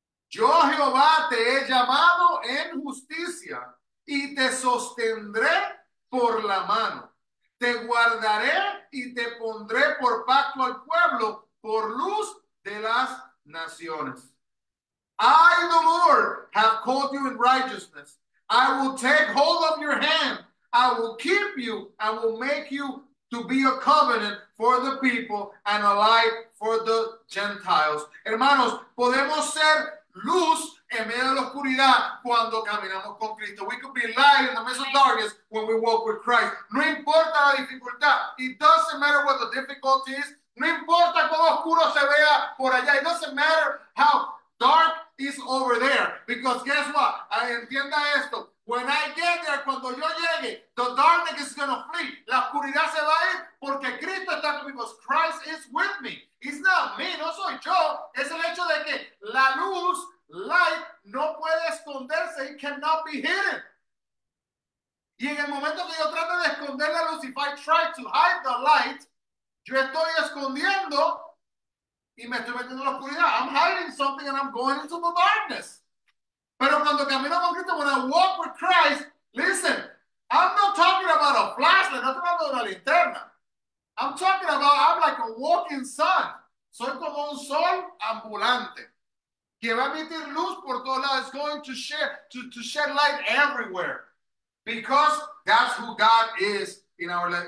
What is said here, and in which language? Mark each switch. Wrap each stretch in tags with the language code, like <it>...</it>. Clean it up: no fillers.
<es>Yo, Jehová, te he llamado en justicia y te sostendré por la mano. Te guardaré y te pondré por pacto al pueblo, por luz de las naciones.</es> <en>I, the Lord, have called you in righteousness. I will take hold of your hand. I will keep you. I will make you to be a covenant for the people and a light for the Gentiles.</en> <es>Hermanos, podemos ser luz en medio de la oscuridad cuando caminamos con Cristo.</es> <en>We could be light in the midst of darkness when we walk with Christ.</en> <es>No importa la dificultad.</es> <en>It doesn't matter what the difficulty is.</en> <es>No importa cómo oscuro se vea por allá.</es> <en>It doesn't matter how dark is over there. Because guess what?</en> <es>Entienda esto.</es> <en>When I get there,</en> <es>cuando yo llegue,</es> <en>the darkness is going to flee.</en> <es>La oscuridad se va a ir porque Cristo está conmigo.</es> <en>Because Christ is with me. It's not me.</en> <es>No soy yo. Es el hecho de que la luz, light, no puede esconderse.</es> <en>It cannot be hidden.</en> <es>Y en el momento que yo trate de esconder la luz,</es> <en>if I try to hide the light,</en> <es>yo estoy escondiendo y me estoy metiendo en la oscuridad.</es> <en>I'm hiding something and I'm going into the darkness.</en> <es>Pero cuando camino con Cristo,</es> <en>when I walk with Christ, listen, I'm not talking about a flashlight,</en> <es>no estoy hablando de una linterna.</es> <en>I'm talking about, I'm like a walking sun.</en> <es>Soy como un sol ambulante que va a emitir luz por todos lados.</es> <en>It's going to shed light everywhere. Because that's who God is in our life.</en>